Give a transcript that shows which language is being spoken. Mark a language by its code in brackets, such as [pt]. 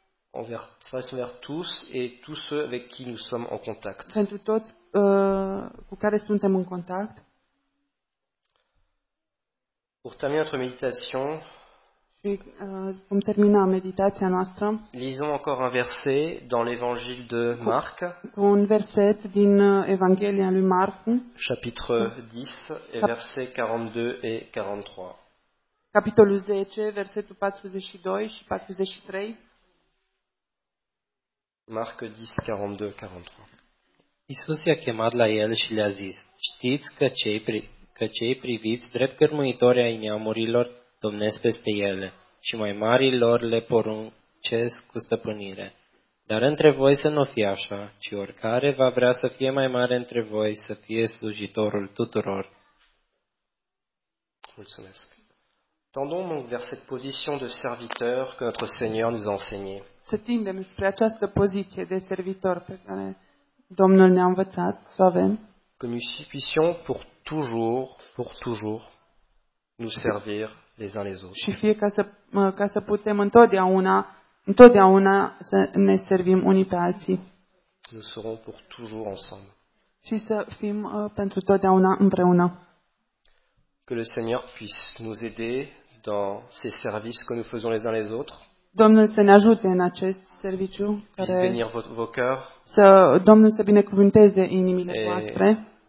[fr] Envers tous et tous ceux avec qui nous sommes en contact. [ro] Pentru toți cu care suntem în contact. [fr] Pour terminer notre méditation. [ro] Și vom termina meditația noastră. [fr] Lisons encore un verset dans l'évangile de Marc. [ro] Un verset din Evanghelia lui Marc. [fr] Chapitre 10 et versets 42 et 43. [ro] Capitolul 10, versetul 42 și 43. [fr] Marc 10, 42, 43. [ro] Iisus i-a chemat la el și le-a zis, știți că cei priviți drept cărmuitori ai neamurilor domnesc peste ele și mai mari lor le poruncesc cu stăpânire. Dar între voi să nu fie așa, ci oricare va vrea să fie mai mare între voi să fie slujitorul tuturor. Mulțumesc. [fr] Tendons donc vers cette position de serviteur que notre Seigneur nous a enseigné. [ro] Să tindem spre această poziție de servitor pe care Domnul ne-a învățat să avem. [fr] Que nous puissions pour toujours nous servir les uns les autres. [ro] Și fie ca să putem întotdeauna să ne servim unii pe alții. [fr] Nous serons pour toujours ensemble. [ro] Și să fim pentru totdeauna împreună. [fr] Que le Seigneur puisse nous aider dans ces services que nous faisons les uns les autres. [ro] Domnul să ne ajute în acest serviciu care [fr] puisse venir vos cœurs. [ro] Să Domnul să binecuvânteze inimile voastre.